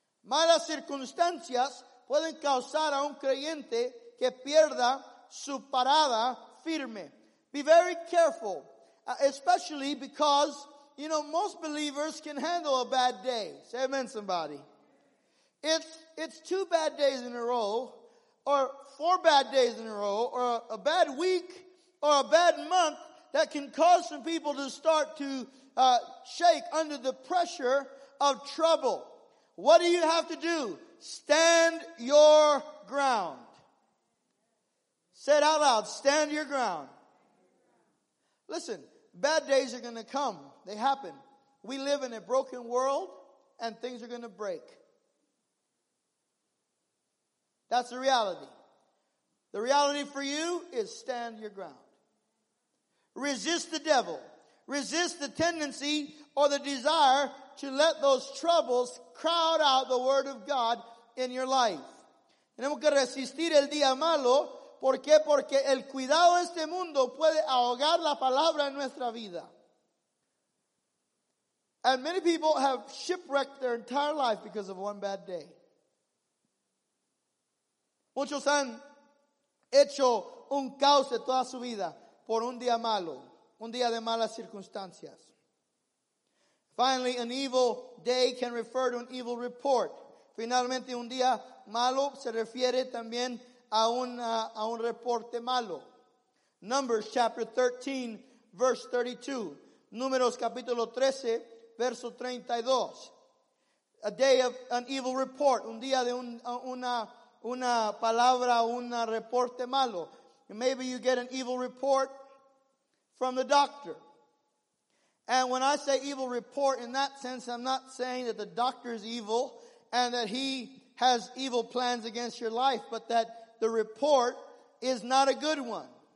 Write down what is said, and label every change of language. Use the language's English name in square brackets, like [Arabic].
[Spanish] Malas circunstancias pueden causar a un creyente que pierda su parada firme. [English] Be very careful, especially because, you know, most believers can handle a bad day. Say amen, somebody. It's two bad days in a row, or four bad days in a row, or a bad week, or a bad month that can cause some people to start to shake under the pressure of trouble. What do you have to do? Stand your ground. Say it out loud. Stand your ground. Listen, bad days are going to come. They happen. We live in a broken world and things are going to break. That's the reality. The reality for you is stand your ground. Resist the devil. Resist the tendency or the desire to let those troubles crowd out the word of God in your life. [Spanish] Tenemos que resistir el día malo. ¿Por qué? Porque el cuidado de este mundo puede ahogar la palabra en nuestra vida. [English] And many people have shipwrecked their entire life because of one bad day. [Spanish] Muchos han hecho un caos de toda su vida por un día malo, un día de malas circunstancias. [English] Finally, an evil day can refer to an evil report. [Spanish] Finalmente, un día malo se refiere también a un reporte malo. [English] Numbers chapter 13, verse 32. [Spanish] Números capítulo 13, verso 32. [English] A day of an evil report. [Spanish] Un día de una palabra, un reporte malo. [English] Maybe you get an evil report from the doctor. And when I say evil report, in that sense, I'm not saying that the doctor is evil and that he has evil plans against your life, but that the report is not a good one.